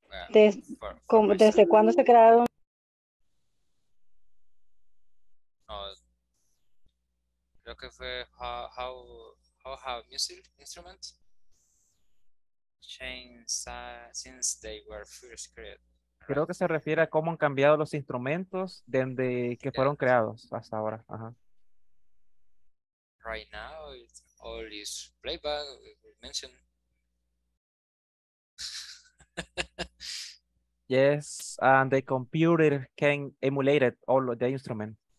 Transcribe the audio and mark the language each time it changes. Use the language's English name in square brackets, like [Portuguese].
[Spanish] Desde cuando se crearon? Creo que fue [English] how have music instruments changed since they were first created. Right? [Spanish] Creo que se refiere a cómo han cambiado los instrumentos desde que fueron creados hasta ahora. Ajá. [English] Right now, it's all is playback, we mentioned. Yes, and the computer can emulate it, all of the instrument.